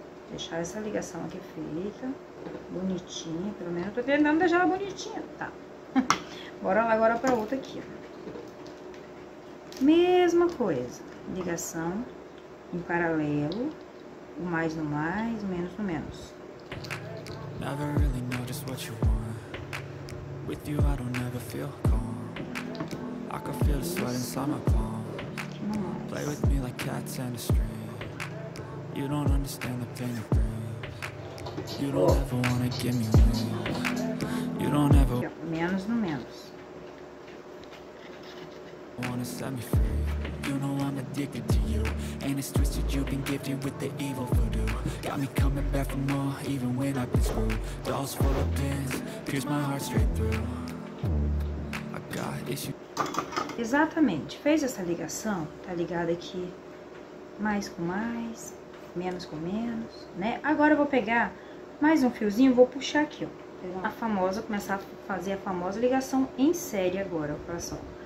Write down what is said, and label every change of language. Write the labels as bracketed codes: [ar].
[pt] Deixar essa ligação aqui feita, bonitinha, pelo menos eu tô tentando deixar ela bonitinha, tá? Bora lá agora pra outra aqui, ó. Mesma coisa, ligação em paralelo, o mais no mais, menos no menos. [en] Never really know just what you want. With you, I don't ever feel calm. I can feel the sweat inside my palm. Play with me like cats and a string. You don't understand the pain it brings. You don't ever wanna give me wings. You don't ever [pt] menos no menos. [en] Wanna set me free. You know I'm addicted to you. And it's twisted, you've been gifted with the evil voodoo. Got me coming back for more, even when I've been screwed. Dolls full of pins, pierce my heart straight through. I got issues. [pt] Exatamente, fez essa ligação, tá ligado aqui? Mais com mais, menos com menos, né? Agora eu vou pegar mais um fiozinho e vou puxar aqui, ó. A famosa, começar a fazer a famosa ligação em série agora, olha só.